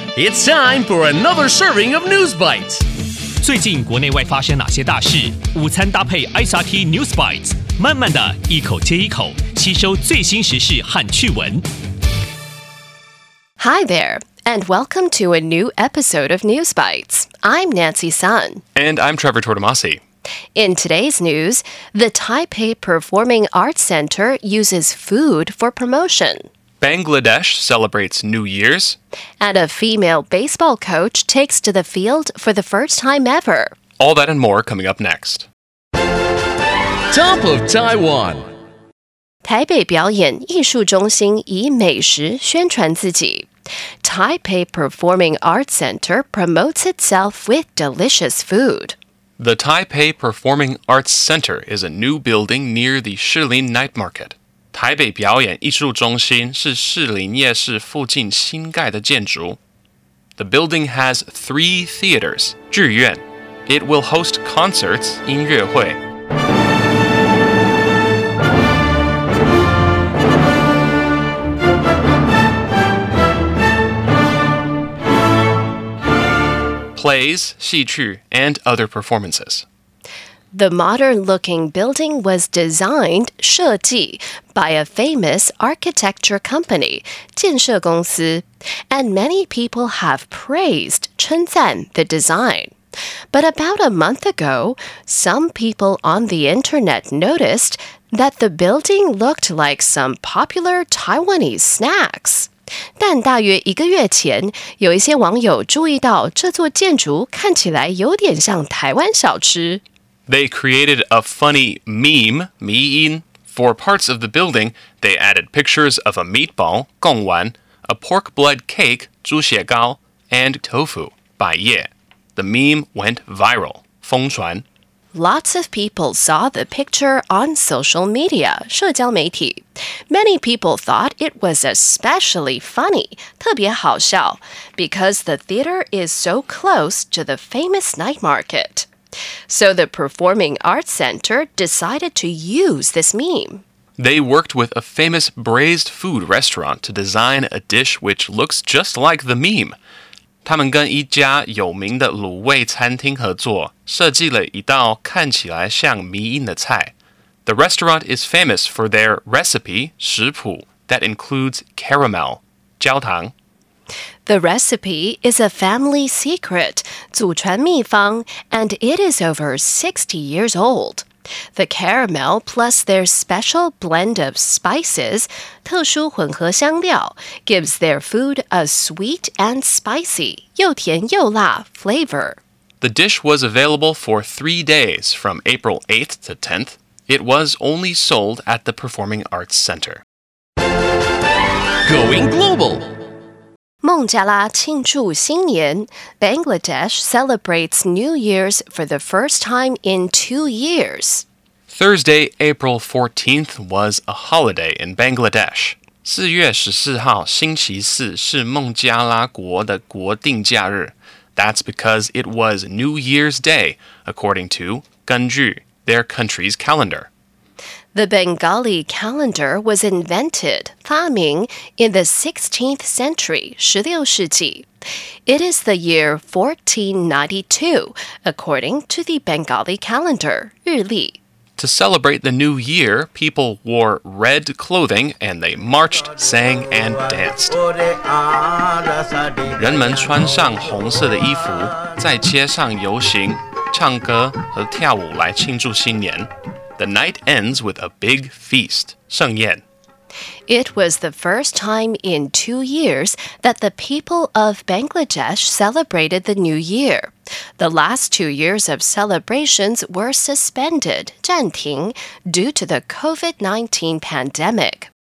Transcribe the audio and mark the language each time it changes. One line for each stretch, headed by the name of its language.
English: It's time for another serving of News Bites.
Chinese: 最近国内外发生哪些大事？午餐搭配 SRT News Bites， 慢慢的一口接一口，吸收最新时事和趣闻。
English: Hi there, and welcome to a new episode of News Bites. I'm Nancy Sun. And I'm Trevor Tortomasi. In today's news, the Taipei Performing Arts Center uses food for promotion. Bangladesh celebrates New Year's. And a female baseball coach takes to the field for the first time ever. All that and more coming up next. Top of Taiwan.
Chinese: 台北表演艺术中心以美食宣传自己。
English: Taipei Performing Arts Center promotes itself with delicious food. The Taipei Performing Arts Center is a new building near the Shilin Night Market.
Chinese: 台北表演艺术中心是士林夜市附近新盖的建筑。
English: The building has three theaters, 剧院。It will host concerts, 音乐会。 Plays, 戏曲, and other performances. The modern-looking building was designed, 设计, by a famous architecture company, 建设公司, and many people have praised, 称赞, the design. But about a month ago, some people on the internet noticed that the building looked like some popular Taiwanese snacks.
Chinese: 但大约一个月前，有一些网友注意到这座建筑看起来有点像台湾小吃。
English: They created a funny meme, 迷因, for parts of the building. They added pictures of a meatball, 贡丸, a pork blood cake, 猪血糕, and tofu, 百叶. The meme went viral, 疯传。 Lots of people saw the picture on social media, 社交媒体。 Many people thought it was especially funny,
Chinese: 特别好笑,
English: because the theater is so close to the famous night market. So the Performing Arts Center decided to use this meme. They worked with a famous braised food restaurant to design a dish which looks just like the meme.
Chinese: 他们跟一家有名的卤味餐厅合作，设计了一道看起来像迷因的菜。
English: The restaurant is famous for their recipe, 食谱, that includes caramel,
Chinese: 焦糖。
English: The recipe is a family secret,
Chinese: 祖传秘方,
English: and it is over 60 years old. The caramel plus their special blend of spices,
Chinese: 特殊混合香料,
English: gives their food a sweet and spicy,
Chinese: 又甜又辣,
English: flavor. The dish was available for 3 days, from April 8th to 10th. It was only sold at the Performing Arts Center. Going Global!
Chinese: 孟加拉庆祝新年
English: ,Bangladesh celebrates New Year's for the first time in 2 years. Thursday, April 14th was a holiday in Bangladesh.
Chinese: 四月十四号星期四是孟加拉国的国定假日。
English: That's because it was New Year's Day, according to, 根据, their country's calendar. The Bengali calendar was invented, 发明, in the 16th century, 十六世纪. It is the year 1492, according to the Bengali calendar, 日历. To celebrate the new year, people wore red clothing and they marched, sang, and danced.
Chinese: 人们穿上红色的衣服,在街上游行,唱歌和跳舞来庆祝新年。
English: The night ends with a big feast, 盛宴. It was the first time in 2 years that the people of Bangladesh celebrated the New Year. The last 2 years of celebrations were suspended, 暂停, due to the COVID-19 pandemic.